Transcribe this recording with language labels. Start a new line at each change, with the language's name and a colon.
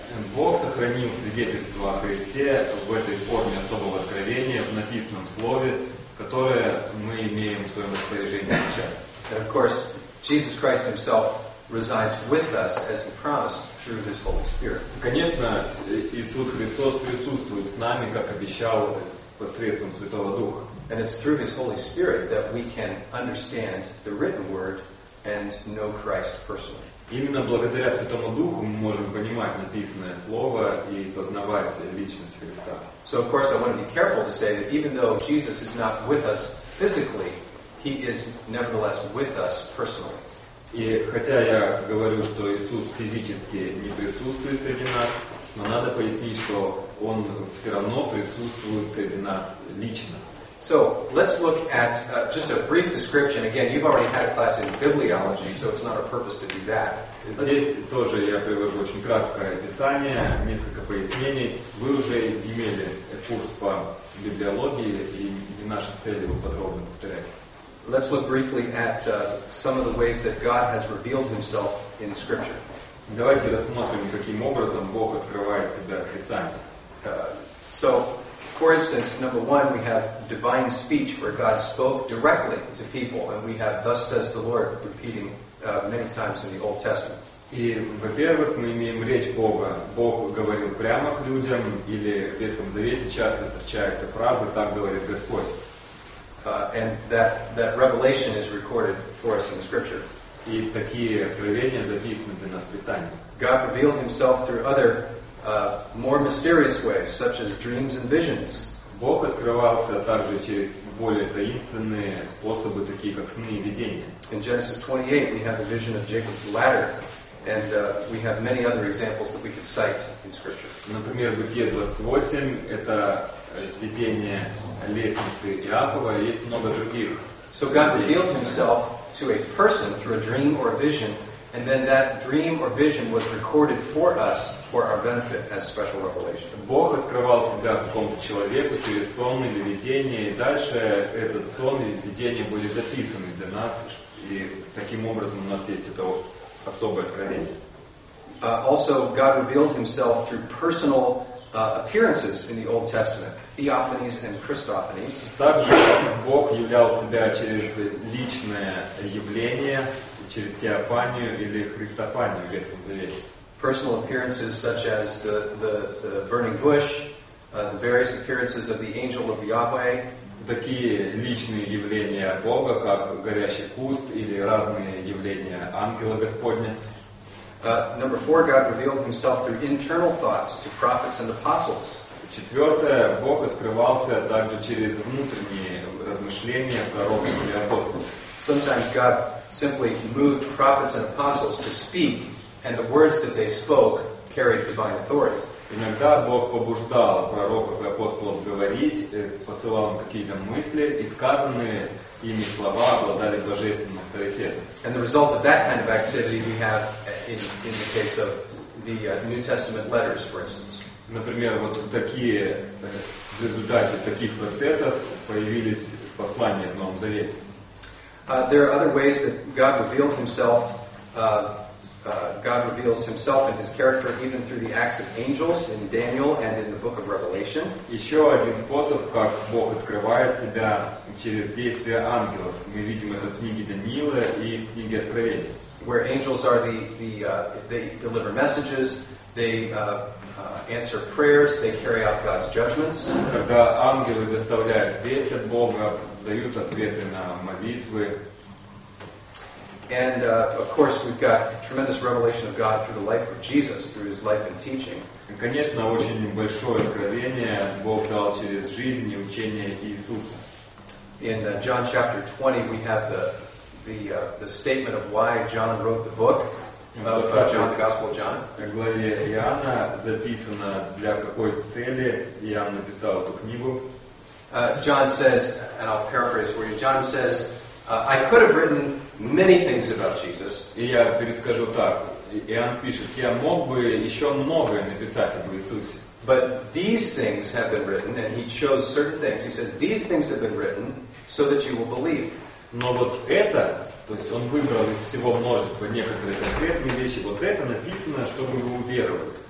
English: And
Russian: Бог сохранил свидетельство о Христе в этой форме особого откровения, в написанном слове, которое мы имеем в своем распоряжении сейчас.
English: And of course, Jesus Christ himself resides with us as he promised through his Holy Spirit.
Russian: Конечно, Иисус Христос присутствует с нами, как обещал, посредством Святого Духа.
English: And it's through his Holy Spirit that we can understand the written word and know Christ personally.
Russian: Именно благодаря Святому Духу мы можем понимать написанное слово и познавать личность Христа.
English: So of course I want to be careful to say that even though Jesus is not with us physically, he is nevertheless with us personally.
Russian: И хотя я говорю, что Иисус физически не присутствует среди нас, но надо пояснить, что он все равно присутствует среди нас лично.
English: So, let's look at just a brief description. Again, you've already had a class in bibliology, so it's not our purpose to do that.
Russian: Здесь тоже я привожу очень краткое описание, несколько пояснений. Вы уже имели курс по библиологии, и не наша цель его подробно повторять.
English: Let's look briefly at some of the ways that God has revealed himself in Scripture.
Russian: Давайте рассмотрим, каким образом Бог открывает себя в Писании.
English: For instance, number one, we have divine speech where God spoke directly to people, and we have "Thus says the Lord" repeating many times in the Old Testament.
Russian: И во-первых, мы имеем речь Бога. Бог говорил прямо к людям, или в Ветхом Завете часто встречается фраза "Так говорит Господь".
English: And that revelation is recorded for us in the Scripture.
Russian: И такие откровения записаны для нас в Писании.
English: God revealed Himself through other more mysterious ways, such as dreams and visions.
Russian: Бог открывался также через более таинственные способы, такие как сны и видения.
English: In Genesis 28, we have a vision of Jacob's ladder, and we have many other examples that we could cite in Scripture.
Russian: Например, Бытие 28 — это видение лестницы Иакова, и есть много других.
English: So God revealed himself to a person through a dream or a vision, and then that dream or vision was recorded for us for our benefit as special revelation.
Russian: Бог открывал себя какому-то человеку через сон или видение, и дальше этот сон или видение были записаны для нас, и таким образом у нас есть это особое откровение.
English: Also, God revealed himself through personal appearances in the Old Testament, theophanies and Christophanies.
Russian: Также Бог являл себя через личное явление, через теофанию или христофанию в Ветхом Завете.
English: Personal appearances such as the burning bush, the various appearances of the angel of Yahweh.
Russian: Такие личные явления Бога, как горящий куст или разные явления ангела Господня.
English: Number four, God revealed himself through internal thoughts to prophets and apostles.
Russian: Четвертое, Бог открывался также через внутренние размышления пророков или апостолов.
English: Sometimes God simply moved prophets and apostles to speak, and the words that they spoke carried divine authority.
Russian: Иногда Бог побуждал пророков и апостолов говорить, посылал им какие-то мысли, и сказанные ими слова обладали божественным авторитетом.
English: And the result of that kind of activity we have in the case of the New Testament letters, for instance.
Russian: Например, вот такие в результате таких процессов появились послания в Новом Завете.
English: There are other ways that God revealed Himself. God reveals Himself and His character even through the acts of angels in Daniel and in the Book of Revelation.
Russian: Еще один способ, как Бог открывает себя через действия ангелов, мы видим это в книге Даниила и в книге Откровения.
English: Where angels are they deliver messages, they answer prayers, they carry out God's judgments.
Russian: Когда ангелы доставляют весть от Бога, дают ответы на молитвы.
English: And of course, we've got tremendous revelation of God through the life of Jesus, through His life and teaching.
Russian: И, конечно, очень большое откровение Бог дал через жизнь и учение Иисуса.
English: In John chapter 20, we have the statement of why John wrote the book of John, the Gospel of John.
Russian: В главе Иоанна записано, для какой цели Иоанн написал эту книгу.
English: John says, and I'll paraphrase for you. John says, I could have written many things about Jesus.
Russian: И я перескажу так. Иоанн пишет, я мог бы еще многое написать об Иисусе.
English: But these things have been written, and he chose certain things. He says, these things have been written so that you will believe.
Russian: Но вот это, то есть он выбрал из всего множества некоторые конкретные вещи, вот это написано, чтобы вы уверовали.